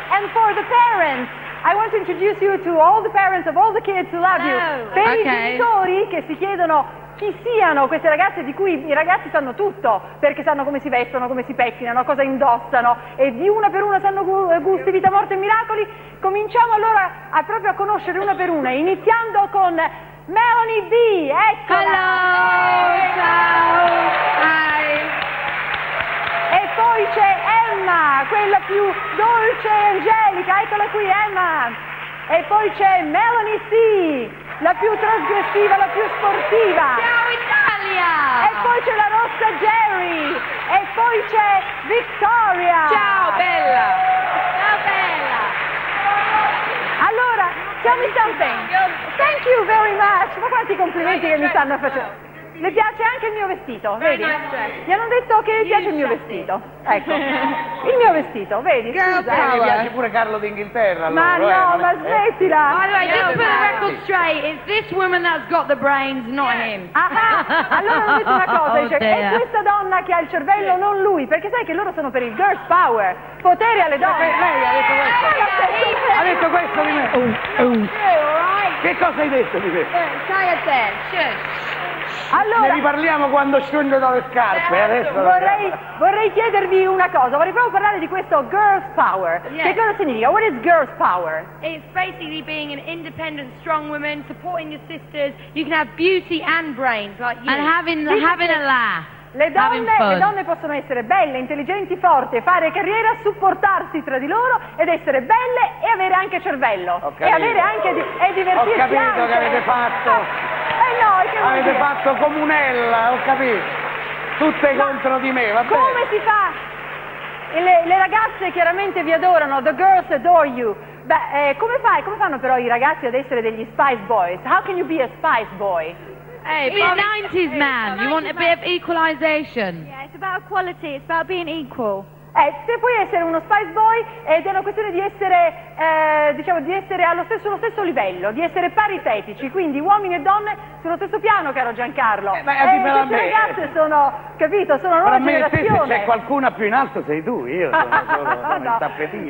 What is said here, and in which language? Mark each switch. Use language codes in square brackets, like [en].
[en] And for the parents, I want to introduce you to all the parents of all the kids who love you. [it] Per i genitori che si chiedono chi siano queste ragazze, di cui i ragazzi sanno tutto, perché sanno come si vestono, come si pettinano, cosa indossano, e di una per una sanno gusti, vita, morte e miracoli. Cominciamo allora a proprio a conoscere una per una, iniziando con Melanie B. Eccola. [en] Hello, ciao. Hi. [it] E poi c'è Emma, quella più dolce e angelica. Eccola qui, Emma. E poi c'è Melanie C. la più trasgressiva, la più sportiva. Ciao Italia! E poi c'è la rossa Jerry! E poi c'è Victoria! Ciao Bella! Ciao Bella! [en] Allora, tell me something! Thank you very much! [it] Ma quanti complimenti che mi stanno facendo! Le piace anche il mio vestito, vedi? Mi hanno detto che le piace il mio vestito. Ecco, il mio vestito, vedi? Scusa, mi piace pure Carlo d'Inghilterra. Ma loro, no, eh? Ma smettila. [en] By the way, just put the record straight. It's this woman that's got the brains, not him. [it] Allora ho detto una cosa, dice, è questa donna che ha il cervello, non lui. Perché sai che loro sono per il girl's power. Potere alle donne. Lei ha detto questo. Ha detto questo di me. Che cosa hai detto di me? Stai a te, allora, ne riparliamo quando scendo dalle scarpe. Adesso vorrei chiedervi una cosa. Vorrei proprio parlare di questo girl's power. [en] Yes. [it] Che cosa significa? [en] What is girl's power? It's basically being an independent, strong woman, supporting your sisters. You can have beauty and brains, like you. And having a laugh. [it] Le donne possono essere belle, intelligenti, forti, fare carriera, supportarsi tra di loro ed essere belle e avere anche cervello. E avere anche e divertirsi anche. Ho capito anche. Che avete fatto. Avete fatto comunella, ho capito. Tutte ma contro di me, va bene. Come si fa? Le ragazze chiaramente vi adorano, [en] the girls adore you. [it] Beh, come fanno però i ragazzi ad essere degli Spice Boys? [en] How can you be a Spice Boy? Hey, be a 90s man. You want a bit of equalization. Yeah, it's about equality. It's about being equal. [it] Se puoi essere uno Spice Boy, ed è una questione di essere, diciamo, di essere allo stesso livello, di essere paritetici, quindi uomini e donne sullo stesso piano, caro Giancarlo. Ma le ragazze sono, capito, sono la nuova generazione. Se c'è qualcuna più in alto sei tu, io sono il tappetino.